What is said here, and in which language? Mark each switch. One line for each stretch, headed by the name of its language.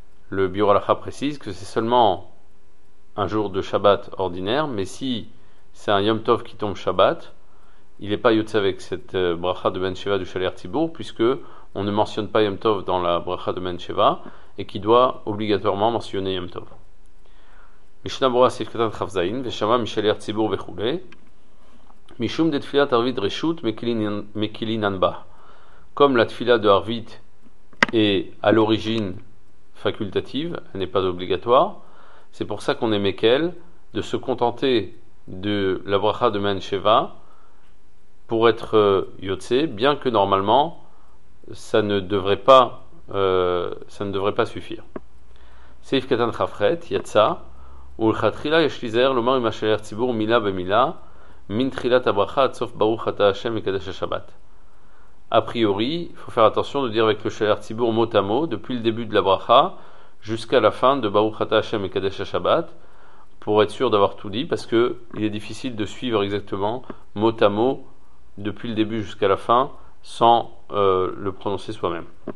French: Le Biur Halakha précise que c'est seulement un jour de Shabbat ordinaire, mais si c'est un Yom Tov qui tombe Shabbat, il n'est pas יוצא avec cette ברכה de מעין שבע du שליח ציבור, puisque on ne mentionne pas Yom Tov dans la ברכה de מעין שבע, et qui doit obligatoirement mentionner Yom Tov.
Hebrew: משנה ברורה סעיף קטן כ"ז, ושמע משליח ציבור וכו', משום דתפילת ערבית רשות מקילינן בה.
French: כמו לתפילה דה ערבית אה à l'origine facultative, elle n'est pas obligatoire. C'est pour ça qu'on est mekel, de se contenter de la bracha de מעין שבע pour être yotze, bien que normalement ça ne devrait pas suffire.
Hebrew: סעיף קטן כ"ח, יצא. ולכתחילה יש להיזהר לומר עם השליח ציבור מילה במילה מן תחילת הברכה עד סוף ברוך אתה השם מקדש השבת.
French: A priori, il faut faire attention de dire avec le שליח ציבור mot à mot depuis le début de la bracha jusqu'à la fin de
Hebrew: ברוך אתה השם מקדש השבת,
French: pour être sûr d'avoir tout dit, parce que il est difficile de suivre exactement mot à mot depuis le début jusqu'à la fin sans le prononcer soi-même.